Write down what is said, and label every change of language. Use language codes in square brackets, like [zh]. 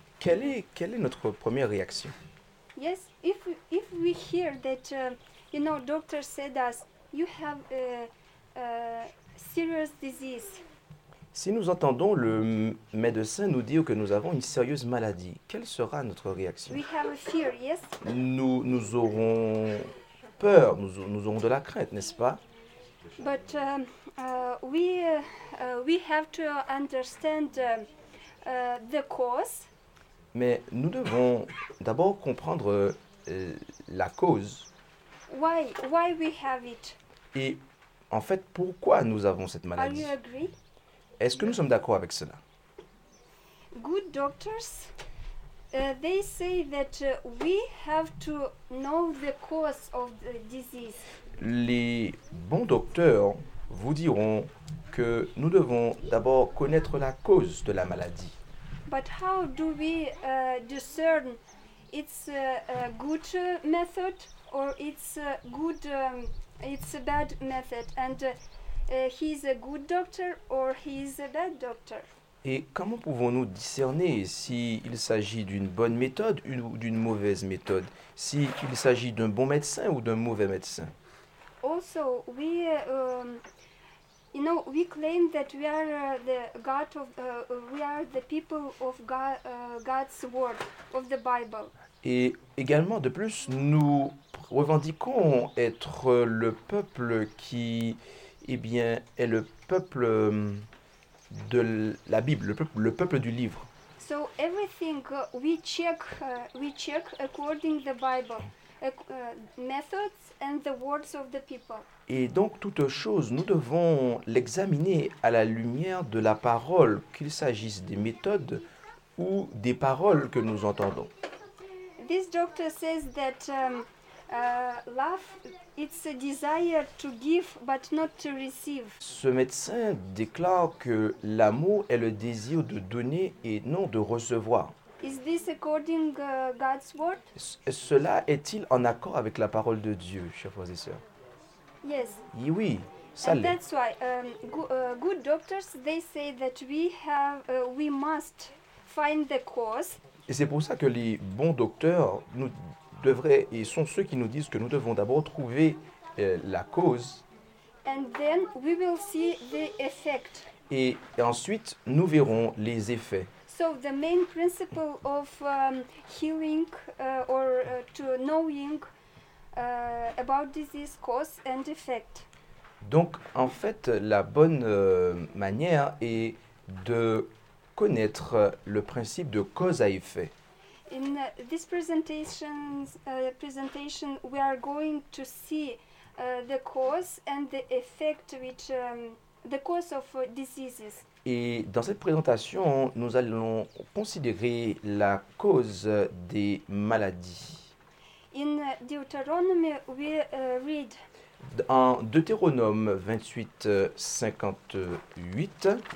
[fr] Quelle est notre première réaction? [en] Yes, if we hear that you know doctor said us you have a serious disease. [fr] Si nous entendons le médecin nous dire que nous avons une sérieuse maladie, quelle sera notre réaction? [en] We have a fear, yes. [fr] Nous aurons peur, nous aurons de la crainte, n'est-ce pas? [en] But we have to understand the cause. [fr] Mais nous devons d'abord comprendre la cause. [en] Why we have it? [fr] Et en fait, pourquoi nous avons cette maladie? [en] Are you agree? [fr] Est-ce que nous sommes d'accord avec cela? [en] Good doctors, they say that we have to know the cause of the disease. [fr] Les bons docteurs vous diront que nous devons d'abord connaître la cause de la maladie. [en] But how do we discern it's a good method or it's a good it's a bad method and he's a good doctor or he's a bad doctor? [fr] Et comment pouvons-nous discerner s'il s'agit d'une bonne méthode ou d'une mauvaise méthode, s'il s'agit d'un bon médecin ou d'un mauvais médecin? [en] Also, we you know, we claim that we are the God of we are the people of God, God's word of the Bible. [fr] Et également, de plus, nous revendiquons être le peuple qui est le peuple de la Bible, le peuple du livre. [en] So everything we check according the Bible. Methods and the words of the people. [fr] Et donc toute chose, nous devons l'examiner à la lumière de la parole, qu'il s'agisse des méthodes ou des paroles que nous entendons. [en] This doctor says that love, it's a desire to give but not to receive. [fr] Ce médecin déclare que l'amour est le désir de donner et non de recevoir. [en] Is this according God's word? [fr] Cela est-il en accord avec la parole de Dieu, chers frères et sœurs? [en] Yes. [fr] Oui, ça l'est. [en] And that's why good doctors they say that we must find the cause. [fr] Et c'est pour ça que les bons docteurs nous devraient et sont ceux qui nous disent que nous devons d'abord trouver la cause. [en] And then we will see the effect. [fr] Et ensuite nous verrons les effets. [en] So the main principle of healing or to knowing about disease cause and effect. [fr] Donc en fait la bonne manière est de connaître le principe de cause à effet. [en] In this presentation we are going to see the cause and the effect which the cause of diseases. [fr] Et dans cette présentation, nous allons considérer la cause des maladies. [en] In Deuteronomy, we read. [fr] En Deutéronome 28, 58.